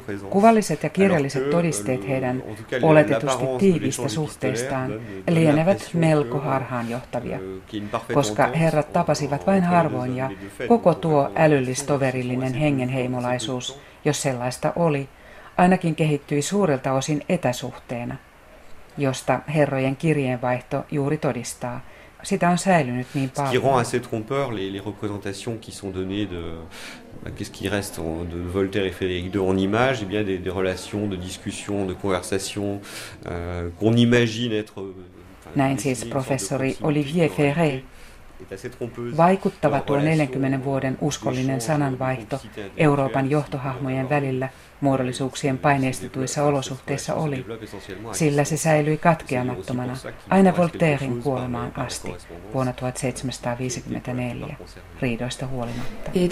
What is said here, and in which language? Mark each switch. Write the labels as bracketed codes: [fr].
[fi] Kuvalliset ja kirjalliset todisteet heidän oletetusti tiivistä suhteistaan lienevät melko harhaanjohtavia, koska herrat tapasivat vain harvoin ja koko tuo älyllistoverillinen hengenheimolaisuus, jos sellaista oli, ainakin kehittyi suurelta osin etäsuhteena, josta herrojen kirjeenvaihto juuri todistaa. Sitä on säilynyt niin paljon. [fr] Qui rend assez trompeur les représentations qui sont données de qu'est-ce qui reste de Voltaire et Frédéric II en image, et bien des relations, de discussions, de conversations qu'on imagine être. [fi] Näin siis professori Olivier Ferré. Vaikuttava tuo 40 vuoden uskollinen sananvaihto Euroopan johtohahmojen välillä muodollisuuksien paineistetuissa olosuhteissa oli, sillä se säilyi katkeamattomana aina Voltairen kuolemaan asti vuonna 1754, riidoista huolimatta.